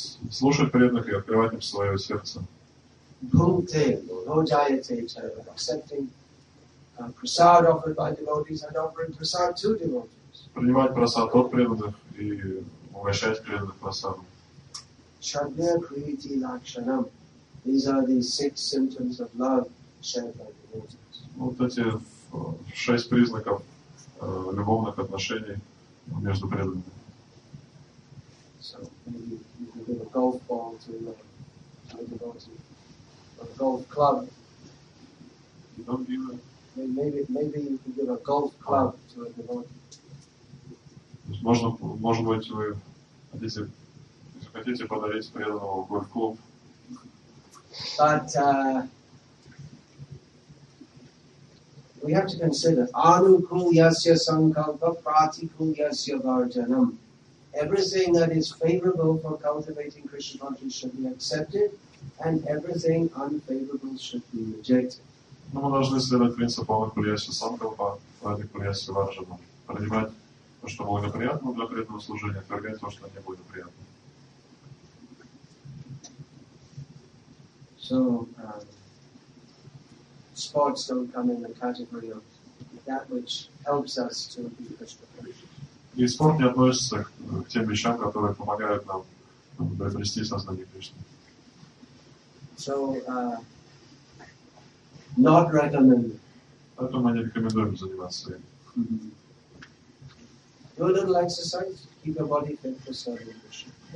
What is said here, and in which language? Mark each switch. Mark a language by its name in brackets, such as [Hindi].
[Russian] Слушать преданных и открывать им свое сердце. [Sanskrit] Бхукте, Лоджайате, [English] accepting prasad offered by devotees and offering prasad to devotees. [Russian] Принимать прасад от преданных и угощать преданных прасадом. [Sanskrit] Шадья Крити Лакшанам. [English] These are the six symptoms of love shared by devotees. [Russian] Вот эти шесть признаков любовных отношений между преданными. [English] So, maybe you can give a golf ball to a devotee. A golf club. You don't give a... Maybe you can give a golf club to a devotee. [Russian] Можно, может быть, вы, если хотите, подарить преданному гольф-клуб. [English] But we have to consider [Sanskrit] anukulyasya sankalpa pratikulyasya varjanam. [English] Everything that is favorable for cultivating Krishna consciousness should be accepted, and everything unfavorable should be rejected. [Russian] Но мы должны следовать принципу [Sanskrit] анукулиаси санкалпа, радикулиаси варджана. [Russian] Принимать то, что благоприятно для преданного служения, отвергать то, что неблагоприятно. [English] So, sports don't come in the category of that which helps us to be Krishna conscious. [Russian] И спорт не относится к тем вещам, которые помогают нам приобрести сознание Кришны. [English] So, not recommended. [Russian] Поэтому не рекомендуем заниматься этим. [English] Do a little exercise, keep your body fit for serving Krishna.